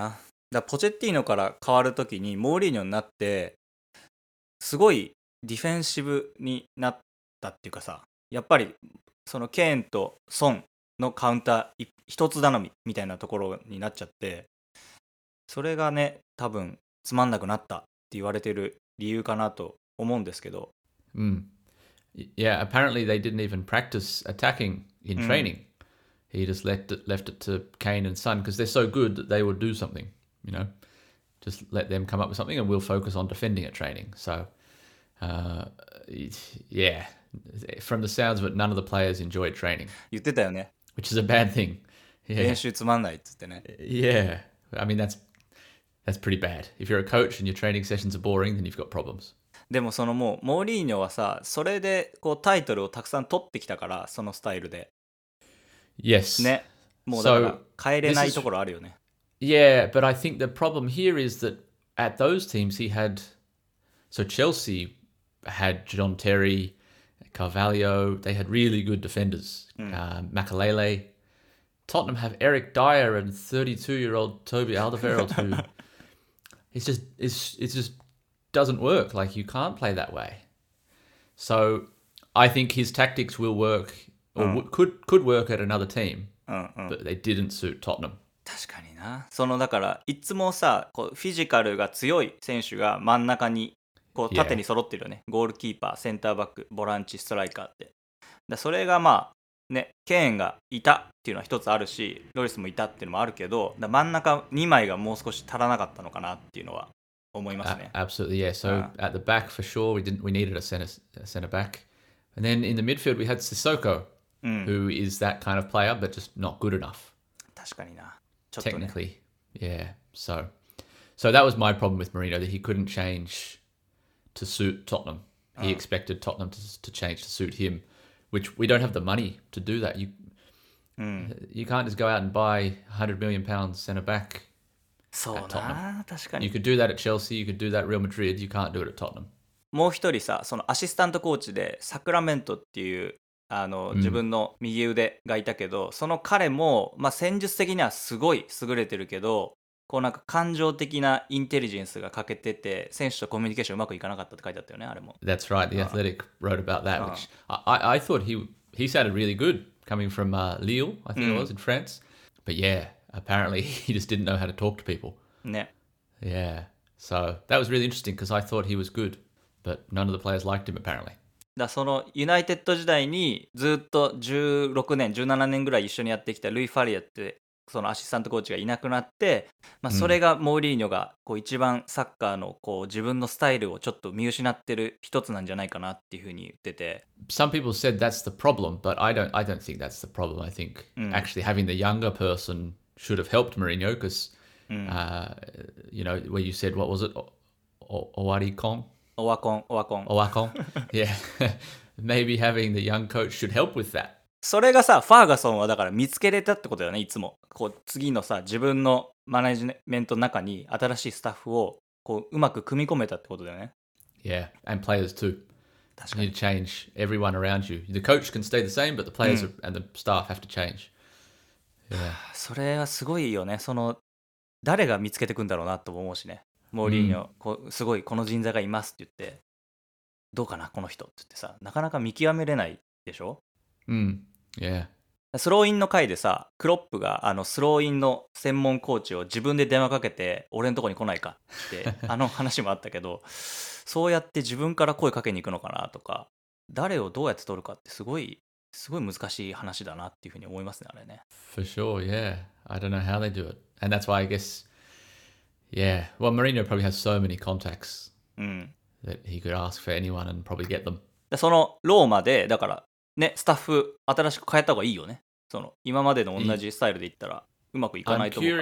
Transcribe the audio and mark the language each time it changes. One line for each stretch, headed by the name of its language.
Japanese: だからポチェッティーノから変わるときにモーリーニョになってすごいディフェンシブになったっていうかさ、やっぱりそのケーンとソンのカウンター一つ頼みみたいなところになっちゃって、それがね多分つまんなくなったって言われてる理由かなと思うんですけど。
English: Yeah, apparently they didn't even practice attacking in training. He just left it to Kane and Son because they're so good that they would do something, you know. Just let them come up with something and we'll focus on defending at training. So, yeah, from the sounds of it, none of the players enjoyed training.
Japanese: 言ってたよね。
English: Which is a bad thing. Yeah.
Japanese: 練習つまんないって言ってね。
English: Yeah, I mean that's pretty bad. If you're a coach and your training sessions are boring, then you've got problems.
Japanese: でもそのもうモーリーニョはさ、それでこうタイトルをたくさん取ってきたから、そのスタイルで
English: Yes
Japanese: ね、もうだから変えれないところあるよね。
English: Yeah, but I think the problem here is that at those teams he had, so Chelsea had John Terry, Carvalho, they had really good defenders, Makalele. Tottenham have Eric Dier and 32-year-old Toby Alderweireld who it's just doesn't work. Like, you can't play that way. So I think his tactics will work or could work at another team, but they didn't suit Tottenham.
Japanese: 確かにな。そのだからいつもさ、こうフィジカルが強い選手が真ん中にこう縦に揃ってるよね。ゴールキーパー、センターバック、ボランチ、ストライカーって。だそれがまあね、ケーンがいたっていうのは一つあるし、ロリスもいたっていうのもあるけど、だ真ん中2枚がもう少し足らなかったのかなっていうのは思いますね。
English: Absolutely, yeah. So at the back, for sure, we needed a center back. And then in the midfield, we had Sissoko, who is that kind of player, but just not good enough.
Japanese: 確かにな。
English: Technically, yeah. So that was my problem with Mourinho, that he couldn't change to suit Tottenham. He expected Tottenham to change to suit him, which we don't have the money to do that. You can't just go out and buy £100 million center back.
Japanese: そうな、確かに。
English: You could do that at Chelsea, you could do that at Real Madrid, you can't do it at Tottenham.
Japanese: もう一人さ、そのアシスタントコーチでサクラメントっていう自分の右腕がいたけど、その彼も、まあ、戦術的にはすごい優れてるけど、こうなんか感情的なインテリジェンスが欠けてて選手とコミュニケーションうまくいかなかったって書いてあったよねあれも
English: That's right, the Athletic wrote about that which I thought he sounded really good coming from Lille, I think it was, in France But yeah, apparently he just didn't know how to talk to people
Japanese: ね
English: Yeah, so that was really interesting because I thought he was good but none of the players liked him apparently
Japanese: だそのユナイテッド時代にずっと16年17年ぐらい一緒にやってきたルイ・ファリアってそのアシスタントコーチがいなくなって、まあ、それがモーリーニョがこう一番サッカーのこう自分のスタイルをちょっと見失ってる一つなんじゃないかなっていうふうに言ってて
English: Some people said that's the problem but I don't think that's the problem I think actually having the younger person should have helped Mourinho because you know where you said what was it Owarikon?
Japanese: オワコン
English: Yeah Maybe having the young coach should help with that
Japanese: それがさファーガソンはだから見つけれたってことだよねいつもこう次のさ自分のマネジメントの中に新しいスタッフをこううまく組み込めたってことだよね
English: Yeah and players too
Japanese: 確かに
English: You need to change everyone around you The coach can stay the same but the players and the staff have to change Yeah
Japanese: それはすごいよねその誰が見つけてくんだろうなと思うしねモーリーニョ、すごいこの人材がいますって言って、どうかなこの人って言ってさ、なかなか見極めれないでしょ。うん、yeah。スローインの回でさ、クロップがあのスローインの専門コーチを自分で電話かけて、俺のとこに来ないかってあの話もあったけど、そうやって自分から声かけに行くのかなとか、誰をどうやって取るかってすごい難しい話だなっていうふうに思いますねあれね。
English: For sure, yeah. I don't know how they do it, and that's why I guess. Yeah, well, Mourinho probably has so many contacts that he could ask for anyone and probably get them.
Japanese: そのローマで、だからね、スタッフ新しく変えた方がいいよね。その今までの同じスタイルで言ったらうまくいかないと思うから。